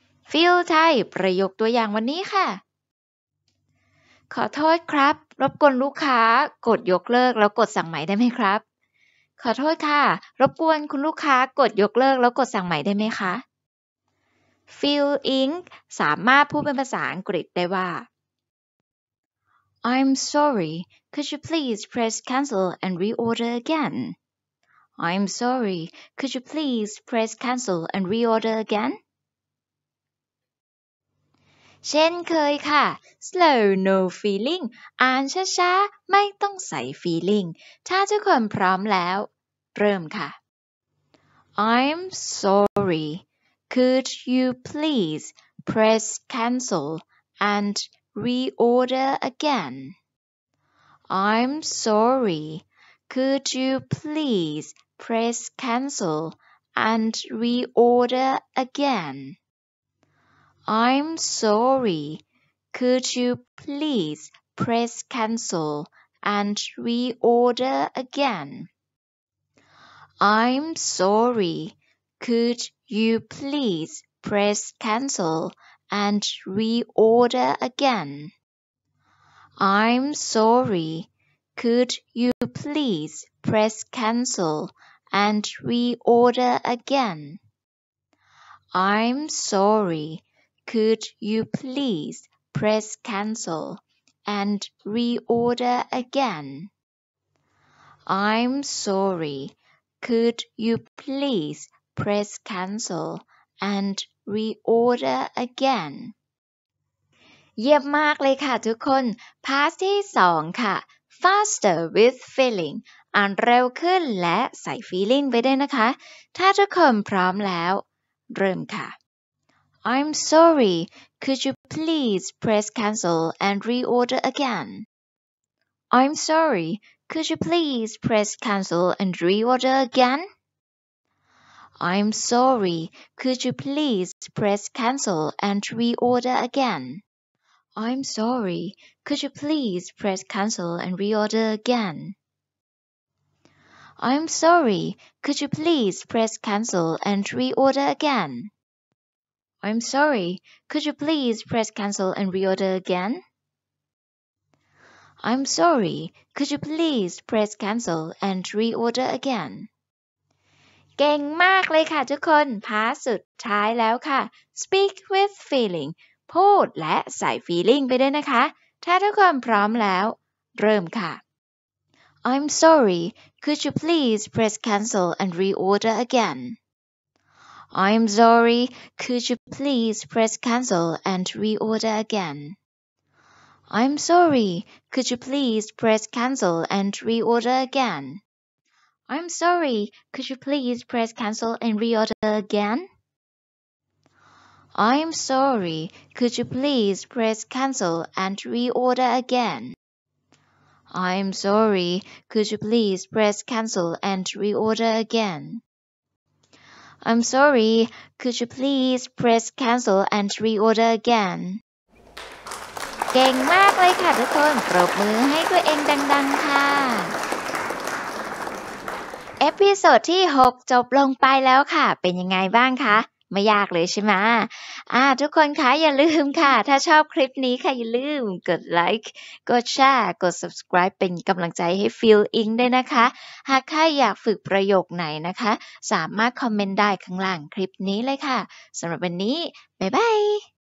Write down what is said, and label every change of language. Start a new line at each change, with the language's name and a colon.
Thai: Feel ไทยประโยคตัวอย่างวันนี้ค่ะขอโทษครับรบกวนลูกค้ากดยกเลิกแล้วกดสั่งใหม่ได้ไหมครับขอโทษค่ะรบกวนคุณลูกค้ากดยกเลิกแล้วกดสั่งใหม่ได้ไหมคะ FeelEng สามารถพูดเป็นภาษาอังกฤษได้ว่า
English: I'm sorry, could you please press cancel and reorder again? I'm sorry, could you please press cancel and reorder again?
Thai: เช่นเคยค่ะ
English: slow no feeling
Thai: อ่านช้าๆไม่ต้องใส่ feeling ถ้าทุกคนพร้อมแล้วเริ่มค่ะ
English: I'm sorry could you please press cancel and reorder again I'm sorry could you please press cancel and reorder againI'm sorry. Could you please press cancel and reorder again? I'm sorry. Could you please press cancel and reorder again? I'm sorry. Could you please press cancel and reorder again? I'm sorry. Could you please press cancel and reorder again? I'm sorry. Could you please press cancel and reorder again?
Thai: เยี่ยมมากเลยค่ะทุกคน Part ที่สองค่ะ
English: Faster with feeling
Thai: อ่านเร็วขึ้นและใส่ feeling ไปด้วยนะคะถ้าทุกคนพร้อมแล้วเริ่มค่ะ
English: I'm sorry, could you please press cancel and reorder again? I'm sorry, could you please press cancel and reorder again? I'm sorry, could you please press cancel and reorder again? I'm sorry, could you please press cancel and reorder again? I'm sorry, could you please press cancel and reorder again? I'm sorry, could you please press cancel and reorder again? I'm sorry, could you please press cancel and reorder again?
Thai: เก่งมากเลยค่ะทุกคนพาร์ทสุดท้ายแล้วค่ะ
English: Speak with feeling
Thai: พูดและใส่ feeling ไปด้วยนะคะถ้าทุกคนพร้อมแล้วเริ่มค่ะ
English: I'm sorry, could you please press cancel and reorder againI'm sorry, could you please press cancel and reorder again? I'm sorry, could you please press cancel and reorder again? I'm sorry, could you please press cancel and reorder again? I'm sorry, could you please press cancel and reorder again? I'm sorry, could you please press cancel and reorder again? I'm sorry. Could you please press cancel and reorder again?
Thai: เก่งมากเลยค่ะทุกคนปรบมือให้ตัวเองดังๆค่ะเอพิโซดที่6จบลงไปแล้วค่ะเป็นยังไงบ้างคะไม่ยากเลยใช่ไหมทุกคนคะอย่าลืมค่ะถ้าชอบคลิปนี้ค่ะอย่าลืมกดไลค์กดแชร์กด subscribe เป็นกำลังใจให้ FeelEng ด้วยนะคะหากค่ะอยากฝึกประโยคไหนนะคะสามารถคอมเมนต์ได้ข้างล่างคลิปนี้เลยค่ะสำหรับวันนี้บ๊ายบาย